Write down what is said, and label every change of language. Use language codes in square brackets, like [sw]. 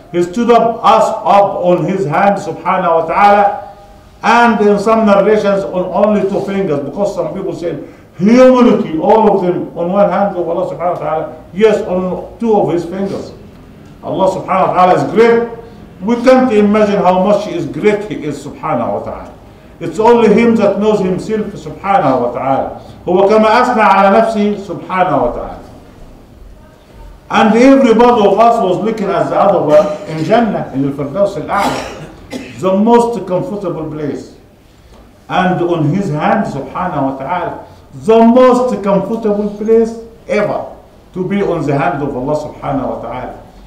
[en] He stood up us up on his hand, [ar] subhanahu wa ta'ala, [en] and in some narrations on only two fingers, because some people say humanity, all of them, on one hand of Allah subhanahu wa ta'ala, yes, on two of his fingers. Allah [ar] subhanahu wa ta'ala [en] is great. We can't imagine how much he is great he is, subhanahu wa ta'ala. It's only him that knows himself, [ar] subhanahu wa ta'ala. هو كما أثنى على نفسه, subhanahu wa ta'ala. [en] And everybody of us was looking at the other one in Jannah, in Al-Firdaus Al-A'la, the most comfortable place. And on his hand, [ar] subhanahu wa ta'ala, [en] the most comfortable place ever to be on the hand of Allah subhanahu wa ta'ala.